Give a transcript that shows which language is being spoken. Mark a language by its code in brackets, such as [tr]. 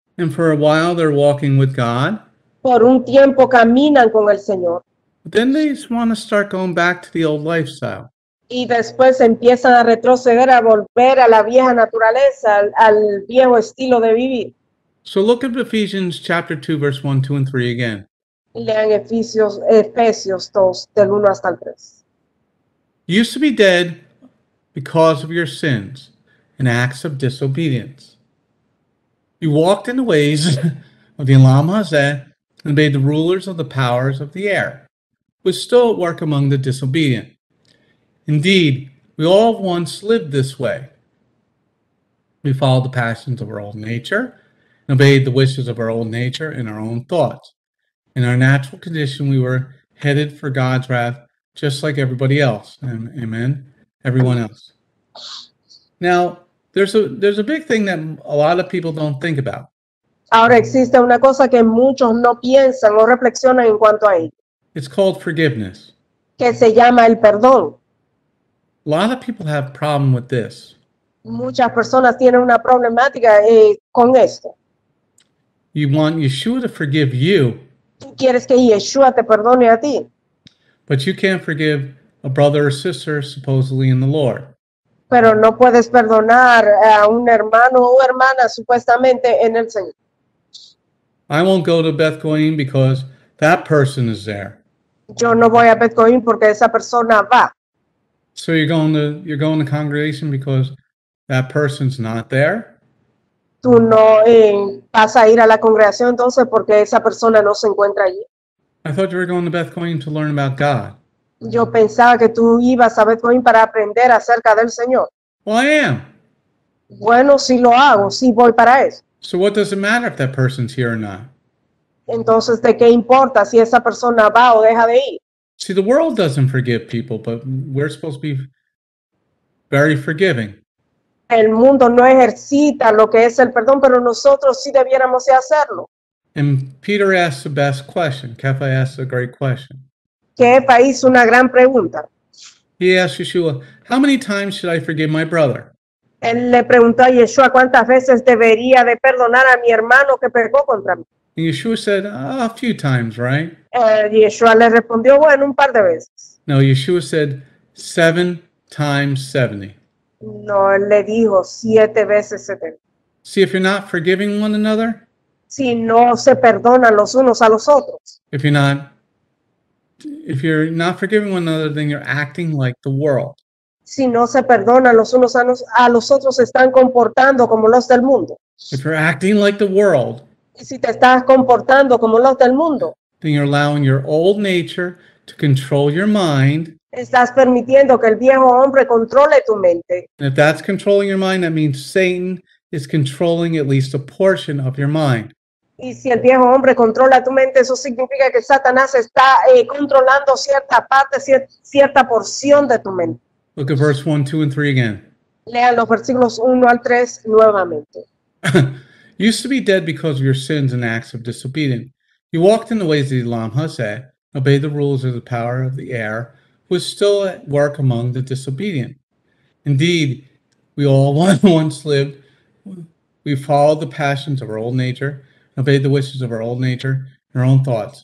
[en] And for a while they're walking with God. [es] Por un tiempo caminan con el Señor. [en] But then they just want to start going back to the old lifestyle. [es] Y después empiezan a retroceder, a volver a la vieja naturaleza, al viejo estilo de vivir. [en] So look at Ephesians chapter 2, verse 1, 2, and 3 again. [es] Lean Efesios 2, del 1 hasta el 3. [en] You used to be dead because of your sins and acts of disobedience. You walked in the ways of the Elam Hazeh and obeyed the rulers of the powers of the air, was still at work among the disobedient. Indeed, we all once lived this way. We followed the passions of our old nature and obeyed the wishes of our old nature and our own thoughts. In our natural condition, we were headed for God's wrath, just like everybody else. Amen. Everyone else. Now, there's a big thing that a lot of people don't think about. [es] Ahora existe una cosa que muchos no piensan o reflexionan en cuanto a ello. [en] It's called forgiveness. [es] Que se llama el perdón. [en] A lot of people have a problem with this. [es] Muchas personas tienen una problemática con esto. [en] You want Yeshua to forgive you. [es] Tú quieres que Yeshua te perdone a ti. [en] But you can't forgive a brother or sister supposedly in the Lord. [es] Pero no puedes perdonar a un hermano o hermana supuestamente en el Señor. [en] I won't go to Beth Goyim because that person is there. [es] Yo no voy a Beth Goyim porque esa persona va. [en] So you're going to congregation because that person's not there? [es] Tú no vas a ir a la congregación entonces porque esa persona no se encuentra allí. [en] I thought you were going to Beth Goyim to learn about God. [es] Yo pensaba que tú ibas a Beth Goyim para aprender acerca del Señor. [en] Well, I am. [es] Bueno, sí lo hago, sí voy para eso. [en] So what does it matter if that person's here or not? [es] Entonces, ¿de qué importa si esa persona va o deja de ir? [en] See, the world doesn't forgive people, but we're supposed to be very forgiving. [es] El mundo no ejercita lo que es el perdón, pero nosotros sí debiéramos de hacerlo. [en] And Peter asked the best question. Kepha asked a great question. [es] Kepha hizo una gran pregunta. [en] He asked Yeshua, how many times should I forgive my brother? [es] Él le preguntó a Yeshua cuántas veces debería de perdonar a mi hermano que pecó contra mí. [en] And Yeshua said, a few times, right? [es] Yeshua le respondió, bueno, un par de veces. [en] No, Yeshua said, 7 times 70. [es] No, él le dijo, 7 veces 70. [en] See, if you're not forgiving one another, [es] si no se perdonan los unos a los otros, [en] if you're not forgiving one another, then you're acting like the world. [es] Si no se perdonan los unos a los otros, están comportando como los del mundo. [en] If you're acting like the world, [es] si te estás comportando como los del mundo, [en] then you're allowing your old nature to control your mind. [es] Estás permitiendo que el viejo hombre controle tu mente. [en] And if that's controlling your mind, that means Satan is controlling at least a portion of your mind. [es] Y si el viejo hombre controla tu mente, eso significa que Satanás está controlando cierta parte, cierta porción de tu mente. [en] Look at verse 1, 2, and 3 again. [es] Lean los versículos 1 al 3 nuevamente. [en] You used to be dead because of your sins and acts of disobedience. You walked in the ways of the Elam Hazeh, obeyed the rules of the power of the air, was still at work among the disobedient. Indeed, we all once lived. We followed the passions of our old nature, obeyed the wishes of our old nature, and our own thoughts.